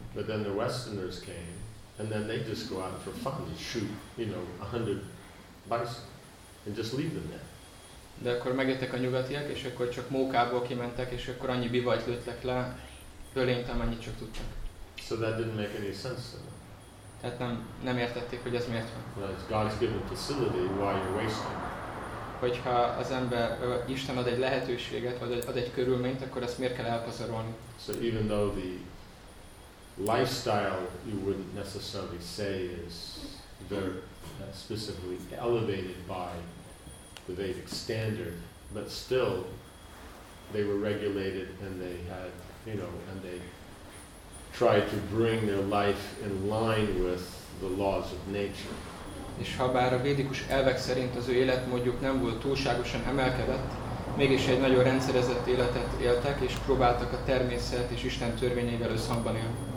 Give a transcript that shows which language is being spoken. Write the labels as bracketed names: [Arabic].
[English] But then the Westerners came, and then they just go out for fun and shoot, you know, 100 bison, and just leave them there. [Hungarian] De akkor megjöttek a nyugatiak, és akkor csak mókából kimentek, és akkor annyi bivajt lőttek le, ölényt, amennyit csak tudtak. [English] So that didn't make any sense to them. [Hungarian] Tehát nem értették, hogy ez miért van. [English] Well, it's God's given facility, why you're wasting. [Hungarian] Hogyha az ember, Isten ad egy lehetőséget, vagy ad egy körülményt, akkor ezt miért kell elpazarolni? [English] So even though the lifestyle you wouldn't necessarily say is very specifically elevated by the Vedic standard, but still they were regulated and they had, you know, and they tried to bring their life in line with the laws of nature. [Hungarian] És ha bár a védikus elvek szerint az ő életmódjuk nem volt túlságosan emelkedett, mégis egy nagyon rendszerezett életet éltek, és próbáltak a természet és Isten törvényeivel összhangban élni.